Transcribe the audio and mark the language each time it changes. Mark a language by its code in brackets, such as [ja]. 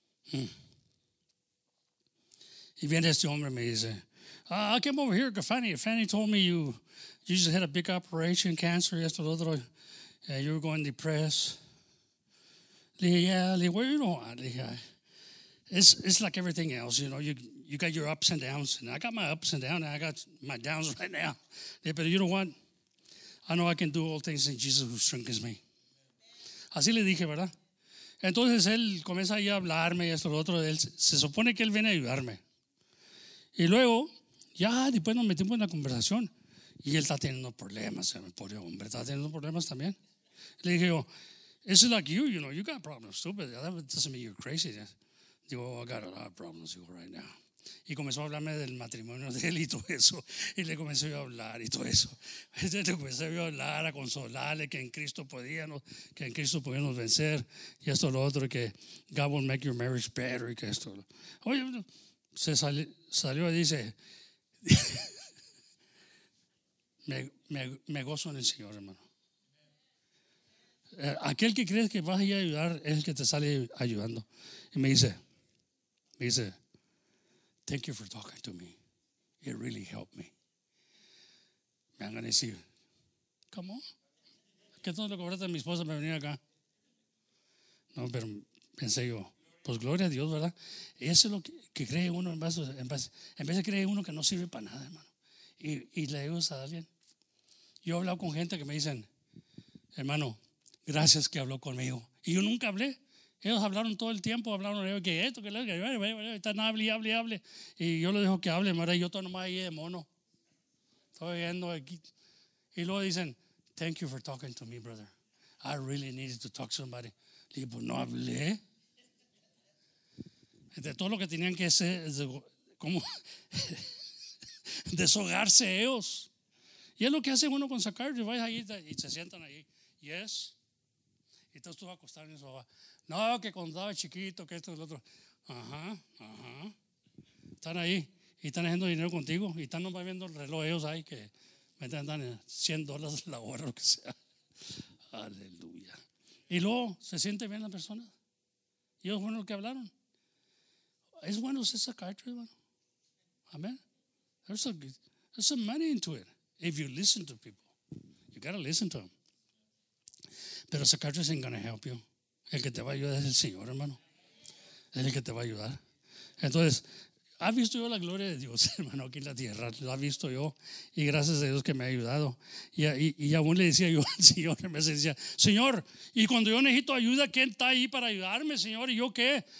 [es] Y viene este hombre y me dice, [en] I came over here because Fanny told me you just had a big operation, cancer, [es] y esto, lo otro, [en] and you were going depressed. [es] Le dije, [en] yeah, [es] le dije, [en] well, you know what? [es] Le dije, [en] it's like everything else, you know, you got your ups and downs, and I got my ups and downs, and I got my downs right now. [es] Le dije, pero [en] you know what? I know I can do all things in Jesus who strengthens me. [es] Así le dije, ¿verdad? Entonces él comienza ahí a hablarme y esto, lo otro, él se supone que él viene a ayudarme. Y luego, ya después nos metimos en la conversación y él está teniendo problemas, el pobre hombre, está teniendo problemas también. Le dije yo, [en] this is like you, you know, you got problems too, but that doesn't mean you're crazy. [es] Digo, [en] I got a lot of problems right now. [es] Y comenzó a hablarme del matrimonio de él y todo eso. Y le comencé a hablar y todo eso. Entonces le comencé a hablar, a consolarle que en Cristo podíamos vencer. Y esto, lo otro, que [en] God will make your marriage better. [es] Y que esto. Oye, se salió y dice, me gozo en el Señor, hermano. Aquel que crees que vas a ir a ayudar es el que te sale ayudando. Y me dice, [en] thank you for talking to me. It really helped me. [es] Me van a decir, ¿cómo? ¿Qué todo lo cobraste a mi esposa para venir acá? No, pero pensé yo, pues gloria a Dios, ¿verdad? Eso es lo que cree uno en vez de creer uno que no sirve para nada, hermano. Y le digo a alguien, yo he hablado con gente que me dicen, hermano, gracias que habló conmigo. Y yo nunca hablé. Ellos hablaron todo el tiempo, hablaron que esto, que lo que, están hable. Y yo le dejo que hable, ¿verdad? Yo estoy nomás ahí de mono. Estoy viendo aquí. Y luego dicen, [en] thank you for talking to me, brother. I really needed to talk to somebody. [es] Le digo, pues no hablé. De todo lo que tenían que hacer, ¿cómo? Deshogarse ellos. Y es lo que hace uno con sacar, y vas ahí y se sientan ahí. Yes. Y entonces tú vas a acostar en su papá. No, que cuando estaba chiquito, que esto y lo otro. Ajá, ajá. Están ahí y están haciendo dinero contigo y están nomás viendo el reloj ellos ahí que me dan $100 la hora o lo que sea. Aleluya. Y luego, ¿se siente bien la persona? ¿Y es bueno lo que hablaron? Es bueno ser psychiatrist, hermano. Amén. [en] There's some money into it. If you listen to people, you got to listen to them. [es] Pero [en] psychiatrist ain't going to help you. [es] El que te va a ayudar es el Señor, hermano. Es el que te va a ayudar. Entonces, ha visto yo la gloria de Dios, hermano, aquí en la tierra. Lo ha visto yo. Y gracias a Dios que me ha ayudado. Y aún le decía yo al Señor, me decía, Señor, y cuando yo necesito ayuda, ¿quién está ahí para ayudarme, Señor? ¿Y yo qué?